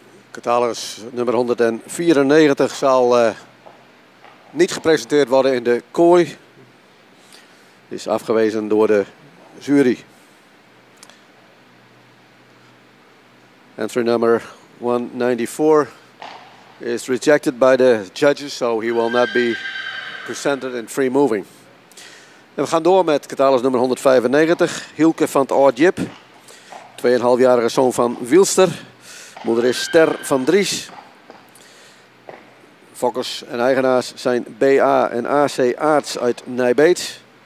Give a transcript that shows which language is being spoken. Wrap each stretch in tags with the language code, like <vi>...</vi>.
<nl>Catalogus nummer 194 zal niet gepresenteerd worden in de kooi. Is afgewezen door de jury.</nl> <en>Entry number 194 is rejected by the judges, so he will not be presented in free moving.</en> <nl>En we gaan door met Catalogus nummer 195, Hielke van het Oordjip. 2,5-jarige zoon van Wielster. Moeder is Ster van Dries. Fokkers en eigenaars zijn B.A. en A.C. Aarts uit Nijbeet.</nl>